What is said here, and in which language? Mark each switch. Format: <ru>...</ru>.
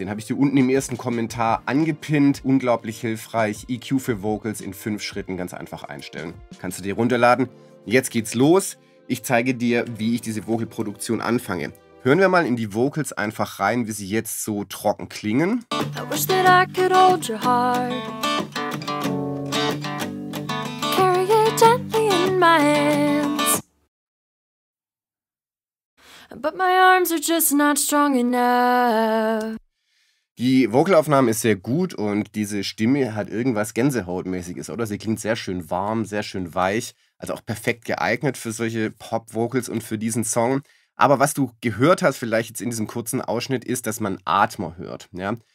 <de>Den habe ich dir unten im ersten Kommentar angepinnt. Unglaublich hilfreich. EQ für Vocals in 5 Schritten ganz einfach einstellen. Kannst du dir runterladen. Jetzt geht's los. Ich zeige dir, wie ich diese Vocalproduktion anfange. Hören wir mal in die Vocals einfach rein, wie sie jetzt so trocken klingen.</de> <en>I wish that I could hold your heart. Carry it gently in my hands. But my arms are just not strong enough.</en> <de>Die Vocalaufnahme ist sehr gut und diese Stimme hat irgendwas Gänsehautmäßiges, oder? Sie klingt sehr schön warm, sehr schön weich, also auch perfekt geeignet für solche Pop-Vocals und für diesen Song. Aber was du gehört hast, vielleicht jetzt in diesem kurzen Ausschnitt, ist, dass man Atmer hört. Ja?</de>